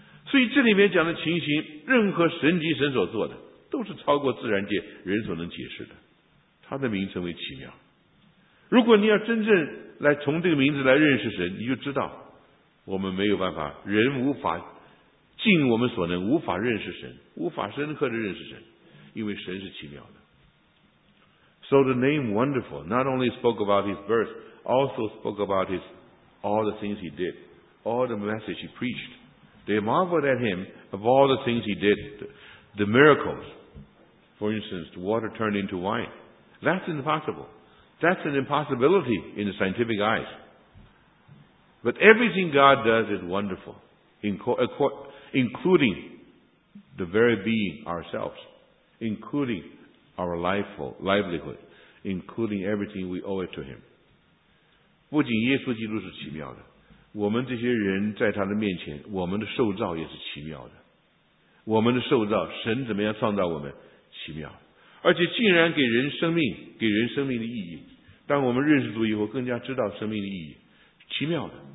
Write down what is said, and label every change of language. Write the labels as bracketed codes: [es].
[zh] 所以这里面讲的情形，任何神迹神所做的都是超过自然界人所能解释的，他的名称为奇妙。如果你要真正来从这个名字来认识神，你就知道我们没有办法，人无法尽我们所能，无法认识神，无法深刻的认识神，因为神是奇妙的。 [en] So the name wonderful not only spoke about his birth, also spoke about his all the things he did, all the message he preachedThey marveled at him of all the things he did, the miracles. For instance, water turned into wine. That's impossible. That's an impossibility in the scientific eyes. But everything God does is wonderful, including the very being ourselves, including our livelihood, including everything we owe it to Him. [zh] 不仅耶稣基督是奇妙的，我们这些人在他的面前，我们的受造也是奇妙的。我们的受造，神怎么样创造我们，奇妙，而且竟然给人生命，给人生命的意义。当我们认识主以后，更加知道生命的意义，奇妙的。